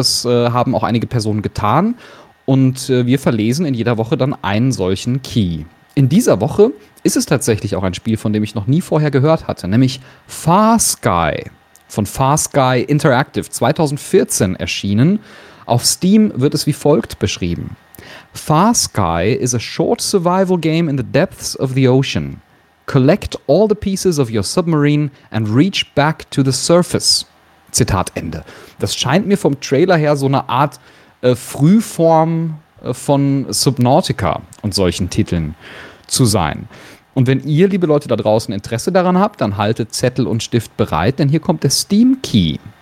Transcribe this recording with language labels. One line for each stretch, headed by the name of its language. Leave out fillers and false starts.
German: Das haben auch einige Personen getan. Und wir verlesen in jeder Woche dann einen solchen Key. In dieser Woche ist es tatsächlich auch ein Spiel, von dem ich noch nie vorher gehört hatte, nämlich Far Sky von Far Sky Interactive, 2014 erschienen. Auf Steam wird es wie folgt beschrieben.
English: Far Sky is a short survival game in the depths of the ocean. Collect all the pieces of your submarine and reach back to the surface.
German: Zitat Ende. Das scheint mir vom Trailer her so eine Art Frühform von Subnautica und solchen Titeln zu sein. Und wenn ihr, liebe Leute da draußen, Interesse daran habt, dann haltet Zettel und Stift bereit, denn hier kommt der Steam Key.